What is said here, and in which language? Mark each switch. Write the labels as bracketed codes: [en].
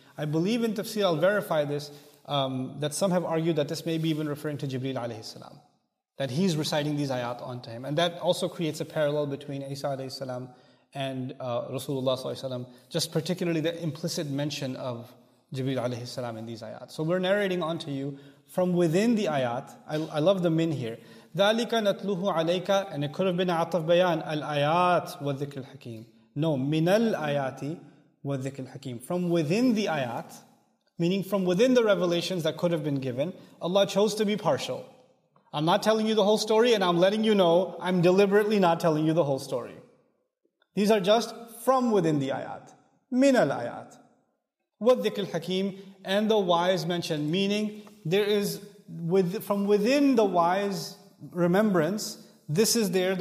[en] I believe in tafsir, I'll verify this, that some have argued that this may be even referring to Jibreel alayhi salam, that he's reciting these ayat onto him. And that also creates a parallel between Isa alayhi salam and Rasulullah, just particularly the implicit mention of Jibreel alayhi salam in these ayat. So we're narrating onto you from within the ayat. I love the min here. [ar] ذَلِكَ نَتْلُهُ عَلَيْكَ, [en] and it could have been [ar] عَطَفْ بَيَانْ الْآيَاتِ وَالذِّكْرِ الْحَكِيمِ. No, مِنَ الْآيَاتِ وَالذِّكْرِ الْحَكِيمِ. [en] From within the ayat, meaning from within the revelations that could have been given, Allah chose to be partial. I'm not telling you the whole story, and I'm letting you know I'm deliberately not telling you the whole story. These are just from within the ayat. [ar] مِنَ الْآيَاتِ وَالذِّكْرِ الْحَكِيمِ, [en] and the wise mentioned, meaning there is with from within the wise remembrance, this is there.